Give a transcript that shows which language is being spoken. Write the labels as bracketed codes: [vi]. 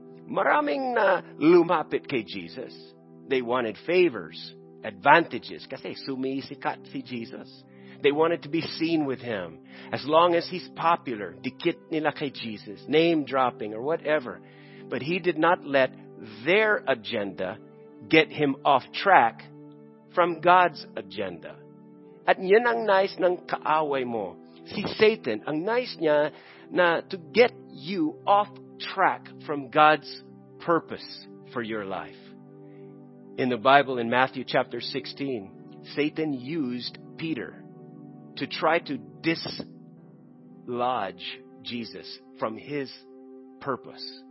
[tl] Maraming na lumapit kay Jesus. [en] They wanted favors, advantages, [tl] kasi sumisikat si Jesus. [en] They wanted to be seen with him. As long as he's popular, [tl] dikit nila kay Jesus, [en] name dropping or whatever. But he did not let their agenda get him off track from God's agenda. [tl] At yun ang nais ng kaaway mo. Si Satan, ang nais niya na [en] to get you off track from God's purpose for your life. In the Bible, in Matthew chapter 16, Satan used Peter to try to dislodge Jesus from his purpose.